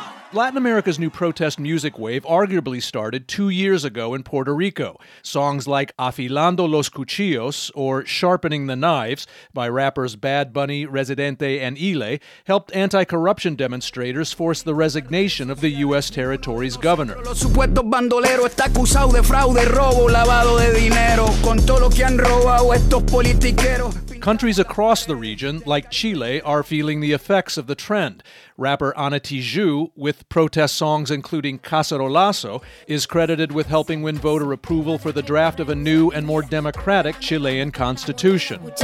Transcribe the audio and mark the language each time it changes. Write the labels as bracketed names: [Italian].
[English] Latin America's new protest music wave arguably started 2 years ago in Puerto Rico. Songs like Afilando los Cuchillos, or Sharpening the Knives, by rappers Bad Bunny, Residente, and Ile, helped anti-corruption demonstrators force the resignation of the U.S. territory's governor. [Spanish] Los supuestos bandoleros están acusados de fraude, robo, lavado de dinero, con todo lo que han robado estos politiqueros. [English] Countries across the region, like Chile, are feeling the effects of the trend. Rapper Ana Tijoux, with protest songs including Cacerolazo, is credited with helping win voter approval for the draft of a new and more democratic Chilean constitution.